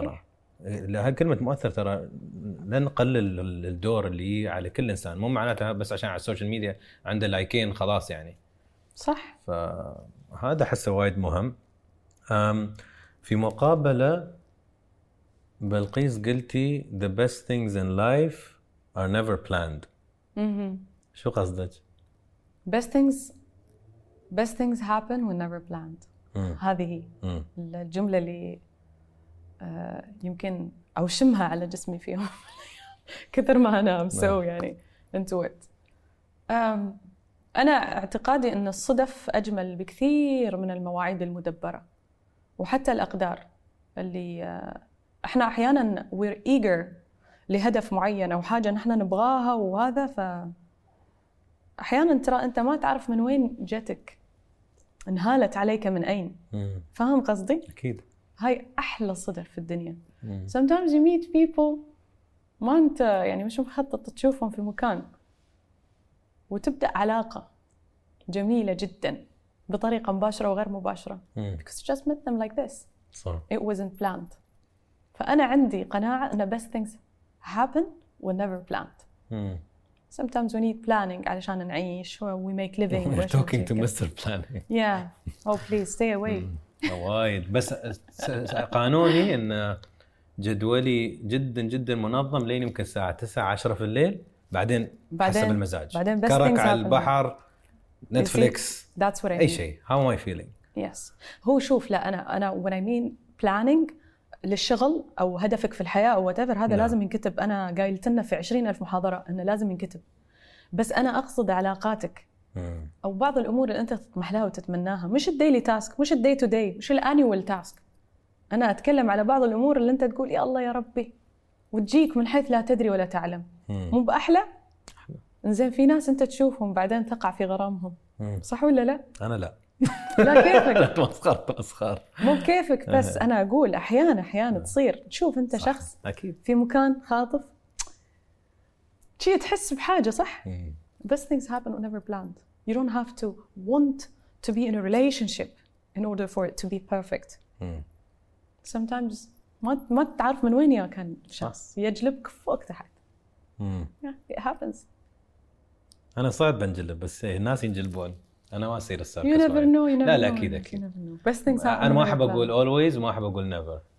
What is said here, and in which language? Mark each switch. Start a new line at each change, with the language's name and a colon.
Arabic: ترى لها كلمة مؤثر ترى لنقلل الدور اللي على كل إنسان مو معناتها بس عشان على السوشيال ميديا عنده لايكين خلاص يعني صح فهذا حسه وايد مهم في مقابلة بلقيس قلتي
English: the best things in life are never planned.
Arabic: شو قصدك؟
English: Best things happen when never planned.
Arabic: هذه الجملة اللي يمكن أوشمها على جسمي في يوم كثر ما أنا مسوي يعني
English: into it.
Arabic: أنا اعتقادي إن الصدف أجمل بكثير من المواعيد المدبرة وحتى الأقدار اللي احنا احيانا
English: we're eager
Arabic: لهدف معين او حاجه نحن نبغاها وهذا ف احيانا ترى انت ما تعرف من وين جتك انهالت عليك من اين فاهم قصدي اكيد هاي احلى صدف في الدنيا
English: sometimes you meet people
Arabic: ما انت يعني مش مخطط تشوفهم في مكان وتبدا علاقه جميله جدا بطريقه مباشره وغير مباشره
English: because you just met them like this it wasn't planned
Arabic: فأنا عندي قناعة أن
English: best things happen were never planned. Sometimes we need planning
Arabic: علشان نعيش
English: or we make living. We're talking to Mr. Planning. Yeah. Oh please stay away.
Arabic: وايد بس قانوني أن جدولي جدا جدا منظم لين يمكن الساعة 9 10 في الليل بعدين حسب المزاج. بعدين
English: best things happen.
Arabic: كرك على البحر نتفليكس.
English: That's what I mean.
Arabic: أي شيء.
English: How am I feeling? Yes.
Arabic: هو شوف لا أنا
English: when I mean planning.
Arabic: للشغل أو هدفك في الحياة أو
English: whatever
Arabic: هذا لا. لازم ينكتب أنا قايلت لنا في 20,000 محاضرة أنه لازم ينكتب بس أنا أقصد علاقاتك أو بعض الأمور اللي أنت تطمح لها وتتمناها مش الديلي تاسك مش الدي تو دي مش الانيوال تاسك أنا أتكلم على بعض الأمور اللي أنت تقول يا الله يا ربي وتجيك من حيث لا تدري ولا تعلم. مو بأحلى؟ إنزين في ناس أنت تشوفهم بعدين تقع في غرامهم. صح ولا لا؟ أنا لا. لا كيفك؟ لا تمسخر تمسخر. مو كيفك بس أنا أقول أحيانا أحيانا تصير تشوف أنت شخص أكيد. في مكان خاطف. شيء تحس بحاجة صح؟
English: Best things happen whenever planned. You don't have to want to be in a relationship in order for it to be perfect. Sometimes
Arabic: ما تعرف من وين يا كان شخص يجلبك فوق تحت.
English: Yeah, it happens.
Arabic: أنا صعب بنجلب بس الناس ينجلبون. أنا ما أصير السرقة.
English: You never know. You never
Arabic: لا أكيد أكيد.
English: Best things happen.
Arabic: أنا ما أحب أقول always وما أحب أقول never.